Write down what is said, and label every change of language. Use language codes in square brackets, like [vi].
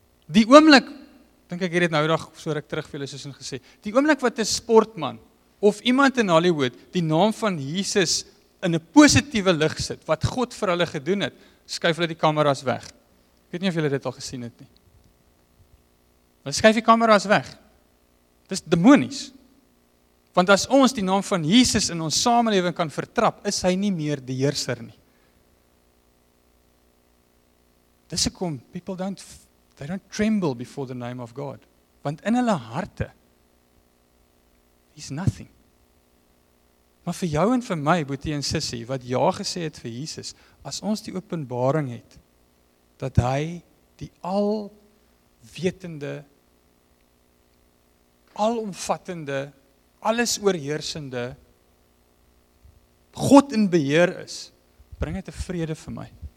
[af] Die oomblik, dink ek hierdie nou dag so ruk terug vir julle soos gesê, die oomblik wat 'n sportman of iemand in Hollywood die naam van Jesus in 'n positiewe lig sit, wat God vir hulle gedoen het, skuif hulle die kameras weg. Ek weet nie of julle dit al gesien het nie. Hulle skuif die kameras weg. Dit is demonies. Want as ons die naam van Jesus in ons samelewing kan vertrap, is hy nie meer die heerser nie. Dis hoekom [en] people they don't tremble before the name of God. [af] Want in hulle harte, [en] he's nothing. [af] Maar vir jou en vir my, boetie en sissie, wat ja gesê het vir Jesus, as ons die openbaring het, dat hy die alwetende, alomvattende, alles oorheersende God in beheer is, bring dit 'n vrede vir my.